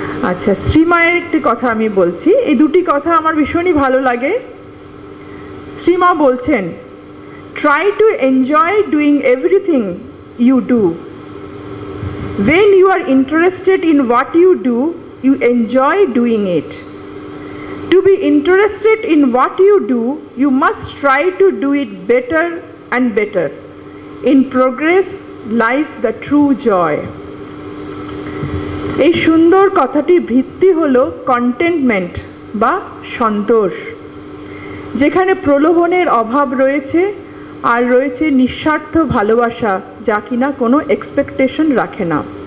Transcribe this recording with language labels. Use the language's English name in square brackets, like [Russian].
[Bangla] আচ্ছা, শ্রী মায়ের একটি কথা আমি বলছি, এই দুটি কথা আমার ভীষণই ভালো লাগে। [English] শ্রী মা বলছেন, try to enjoy doing everything you do, when you are interested in what you enjoy doing it. To be interested in what you do, you must try to do it better and better. In progress lies the true joy. [Bangla] এই সুন্দর কথাটির ভিত্তি হলো contentment বা সন্তোষ। যেখানে প্রলোভনের অভাব রয়েছে আর রয়েছে নিঃস্বার্থ ভালোবাসা, যা কিনা কোনো এক্সপেকটেশন রাখে না।